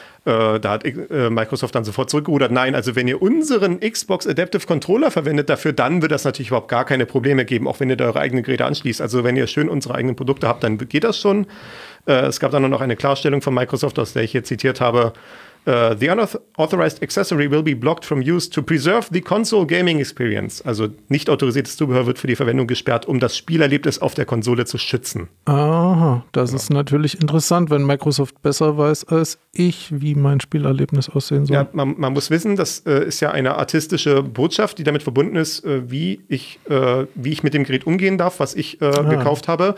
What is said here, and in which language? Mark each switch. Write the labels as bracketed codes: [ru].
[de] Da hat Microsoft dann sofort zurückgerudert. Nein, also wenn ihr unseren Xbox Adaptive Controller verwendet dafür, dann wird das natürlich überhaupt gar keine Probleme geben, auch wenn ihr da eure eigenen Geräte anschließt. Also wenn ihr schön unsere eigenen Produkte habt, dann geht das schon. Es gab dann noch eine Klarstellung von Microsoft, aus der ich hier zitiert habe. [en] The unauthorized accessory will be blocked from use to preserve the console gaming experience. [de] Also nicht autorisiertes Zubehör wird für die Verwendung gesperrt, um das Spielerlebnis auf der Konsole zu schützen. Aha, das ist natürlich interessant, wenn Microsoft besser weiß als ich, wie mein Spielerlebnis aussehen soll. Ja, man muss wissen, das ist ja eine artistische Botschaft, die damit verbunden ist, wie ich mit dem Gerät umgehen darf, was ich gekauft habe.